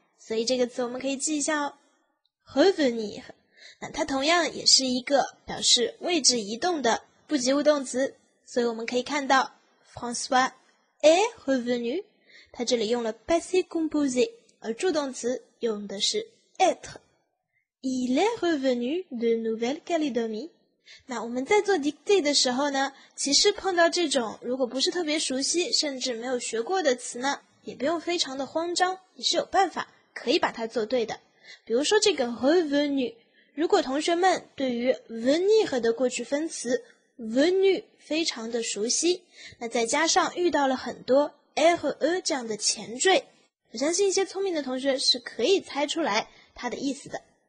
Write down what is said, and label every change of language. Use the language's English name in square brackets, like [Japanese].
[Chinese] 所以这个词我们可以记一下哦， revenir。那它同样也是一个表示位置移动的不及物动词，所以我们可以看到 [French] François est revenu， [Chinese] 它这里用了 [French] passé composé， [Chinese] 而助动词用的是 être。 [French] Il est revenu de Nouvelle-Calédonie. [Chinese] 那我们在做 dictée 的时候呢，其实碰到这种如果不是特别熟悉甚至没有学过的词呢，也不用非常的慌张，也是有办法可以把它做对的。比如说这个 revenu， 如果同学们对于 venir 的过去分词 venu 非常的熟悉，那再加上遇到了很多 re 这样的前缀，我相信一些聪明的同学是可以猜出来它的意思的。